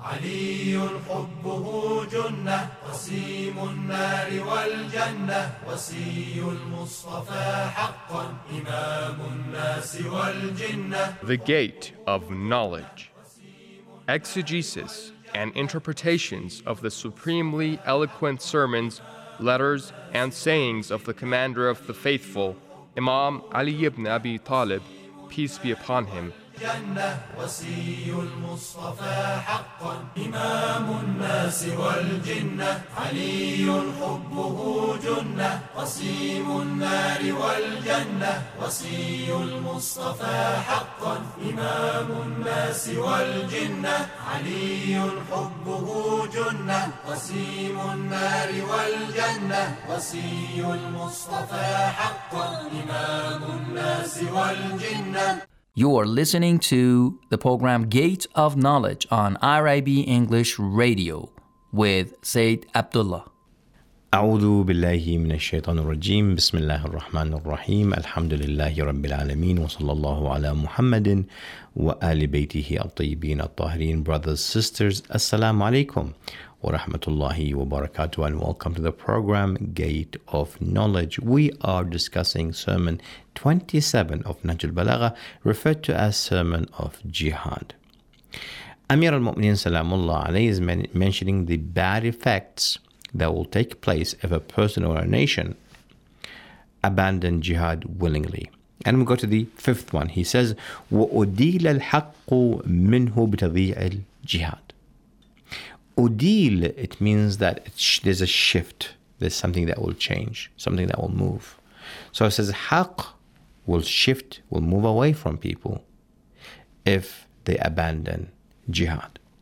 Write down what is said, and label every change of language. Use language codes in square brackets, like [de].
[ar] علي حبه جنة وسيم النار والجنة وسي المصطفى حقا إمام الناس والجنة. [en] The Gate of Knowledge. Exegesis and interpretations of the supremely eloquent sermons, letters, and sayings of the Commander of the Faithful, Imam Ali ibn Abi Talib, peace be upon him. You are listening to the program Gate of Knowledge on RIB English Radio with Sayyid Abdullah. [ar] أعوذ بالله من الشيطان الرجيم بسم الله الرحمن الرحيم الحمد لله رب العالمين وصلى الله على محمد وآل بيته الطيبين الطاهرين. [en] Brothers, sisters, [ar] السلام عليكم ورحمة الله وبركاته, [en] and welcome to the program Gate of Knowledge. We are discussing Sermon 27 of Nahjul Balagha, referred to as Sermon of Jihad. Amir al-Mu'minin salamullah alayhi is mentioning the bad effects that will take place if a person or a nation abandon jihad willingly. And we go to the fifth one. He says, [ar] وَأُدِيلَ الْحَقُّ مِنْهُ بِتَضِيعِ الْجِهَادِ. [en] Udil, it means that there's a shift. There's something that will change, something that will move. So it says, حَقْ will shift, will move away from people if they abandon jihad.